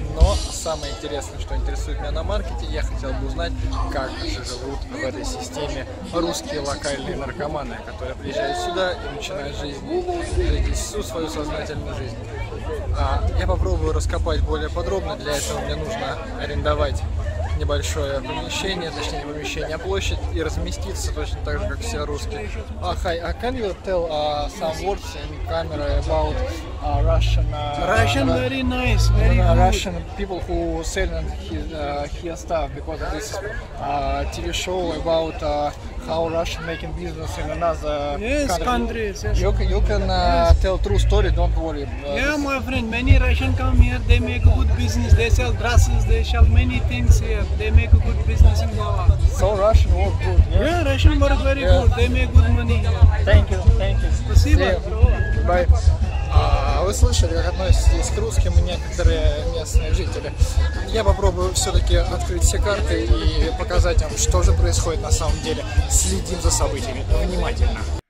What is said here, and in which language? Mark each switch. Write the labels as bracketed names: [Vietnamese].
[Russian] Но самое интересное, что интересует меня на маркете, я хотел бы узнать, как же живут в этой системе русские локальные наркоманы, которые приезжают сюда и начинают жить всю свою сознательную жизнь. А я попробую раскопать более подробно, для этого мне нужно арендовать небольшое помещение, точнее не помещение, а площадь, и разместиться точно так же, как все русские. [English] Hi, can you tell some words in camera about Russian? Russian very nice, very good. Russian people who selling his stuff because of this TV show about how Russian making business in another countries. You can tell true story, don't worry. Yeah, my friend, many Russian come here, they make good business, they sell dresses, they sell many things here. They make a good business in Goa. So Russian work good, yes? Yeah, Russian work very good. They make good money. Thank you. [Russian] Спасибо. [English] Bye. [Russian] Вы слышали, как относитесь к русским и некоторые местные жители. Я попробую все-таки открыть все карты и показать вам, что же происходит на самом деле. Следим за событиями. Внимательно.